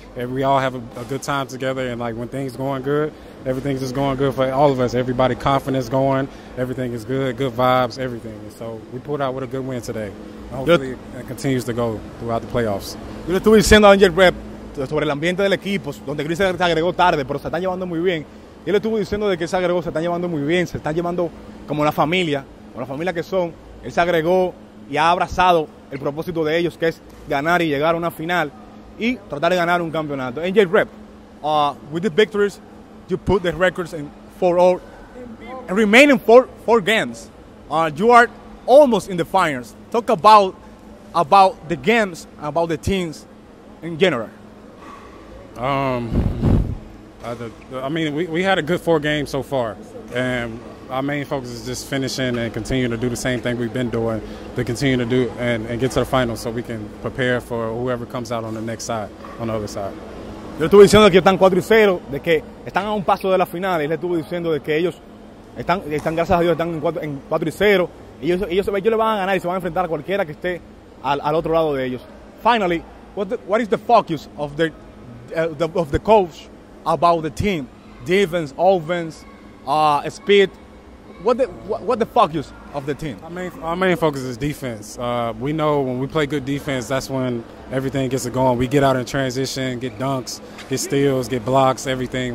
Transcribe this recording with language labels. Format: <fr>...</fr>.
<en>And we all have a good time together. And, like, when things going good, everything's just going good for all of us. Everybody, confidence going. Everything is good. Good vibes, everything. And so we pulled out with a good win today. Hopefully, it continues to go throughout the playoffs.</en> <es>Yo le estuve diciendo a Angel Rep sobre el ambiente del equipo, donde Chris se agregó tarde, pero se están llevando muy bien. Él estuvo diciendo de que se agregó, se están llevando muy bien, se están llevando como la familia que son. Él se agregó y ha abrazado el propósito de ellos, que es ganar y llegar a una final y tratar de ganar un campeonato.</es> <en>NJ Rep, with the victories, you put the records in 4-0, and remaining four games, you are almost in the finals. Talk about the games, about the teams in general. We had a good four games so far, and our main focus is just finishing and continuing to do the same thing we've been doing, to continue to do and get to the finals so we can prepare for whoever comes out on the next side, on the other side.</en> <es>Yo estuve diciendo que están 4-0, de que están a un paso de la final. Él estuvo diciendo de que ellos están gracias a Dios, están en 4-0. Ellos le van a ganar y se van a enfrentar a cualquiera que esté al otro lado de ellos.</es> <en>Finally, what is the focus of the coach about the team? Defense, offense, speed. What the focus of the team? Our main focus is defense. We know when we play good defense, that's when everything gets it going. We get out in transition, get dunks, get steals, get blocks, everything.</en>